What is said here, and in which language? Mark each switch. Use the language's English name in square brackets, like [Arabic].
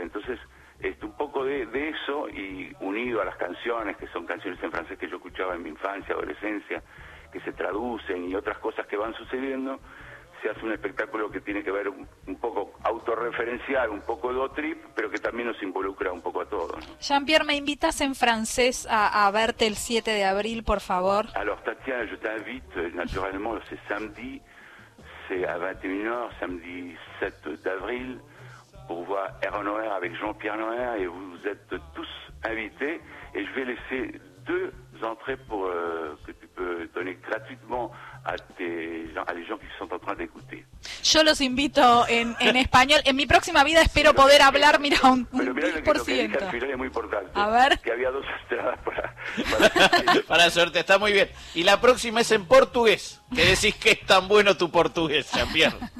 [Spanish] Entonces, un poco de eso, y unido a las canciones, que son canciones en francés que yo escuchaba en mi infancia, adolescencia, que se traducen, y otras cosas que van sucediendo, se hace un espectáculo que tiene que ver un poco autorreferencial, un poco do trip, pero que también nos involucra un poco a todos, ¿no? Jean-Pierre, ¿me invitas en francés a verte el 7 de abril, por favor? [French] Alors, Tatiana, je t'invite, naturellement, c'est samedi, c'est à 21h, samedi 7 d'avril, pour voir Ero Noer avec Jean-Pierre Noer, et vous êtes tous invités, et je vais laisser deux entrées pour que tu peux donner gratuitement a los que son en train de escuchar. [Spanish] Yo los invito en español. En mi próxima vida espero poder hablar, mira, un 10%. Pero mira lo que dije es muy importante. A ver. Que había dos estradas para... para suerte, está muy bien. Y la próxima es en portugués. ¿Qué decís que es tan bueno tu portugués, Jean-Pierre?